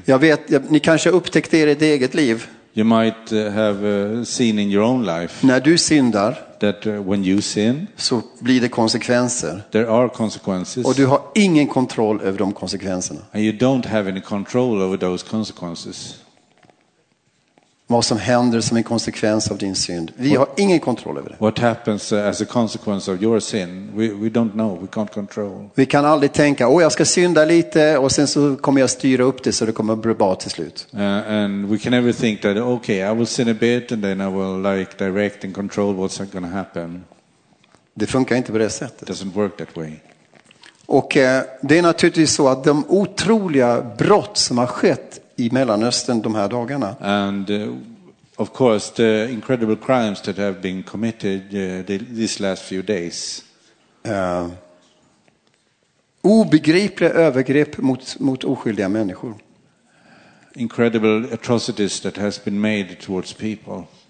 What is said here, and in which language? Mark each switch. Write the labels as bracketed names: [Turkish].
[Swedish] Jag vet, ni kanske har upptäckt det i ditt eget liv. [English] You might have seen in your own life. [Swedish] När du syndar, [English] that when you sin, [Swedish] så blir det konsekvenser. [English] There are consequences. [Swedish] Och du har ingen kontroll över de konsekvenserna. [English] And you don't have any control over those consequences. [Swedish] Vad som händer som en konsekvens av din synd. Vi har ingen kontroll över det. [English] What happens as a consequence of your sin? We don't know. We can't control. [Swedish] Vi kan aldrig tänka, jag ska synda lite och sen så kommer jag styra upp det så det kommer bli bra till slut. [English] And we can never think that okay, I will sin a bit and then I will like direct and control what's going to happen. [Swedish] Det funkar inte på det sättet. [English] It doesn't work that way. [Swedish] Och det är naturligtvis så att de otroliga brott som har skett i Mellanöstern de här dagarna. [English] And of course the incredible crimes that have been committed these last few days. [Swedish] Obegripliga övergrepp mot oskyldiga människor. [English] Incredible atrocities that has been made towards people.